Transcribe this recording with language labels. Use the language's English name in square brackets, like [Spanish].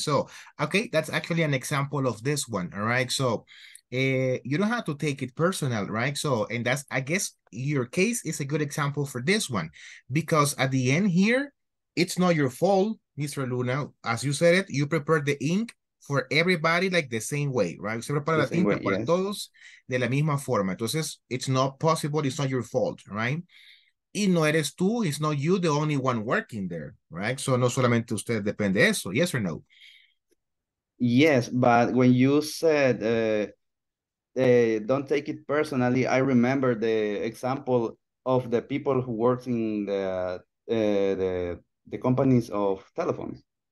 [English] So, okay, that's actually an example of this one. All right, so you don't have to take it personal, right? So, and that's, I guess, your case is a good example for this one, because at the end here, it's not your fault, Mr. Luna. As you said it, you prepared the ink for everybody like the same way, right? [Spanish] Se prepara la tinta para todos de la misma forma. [English] Entonces, it's not possible. It's not your fault, right? [Spanish] Y no eres tú. [English] It's not you, the only one working there, right? [Spanish] So, no solamente usted depende de eso. [English] Yes or no? Yes, but when you said don't take it personally, I remember the example of the people who works in the companies of telephones,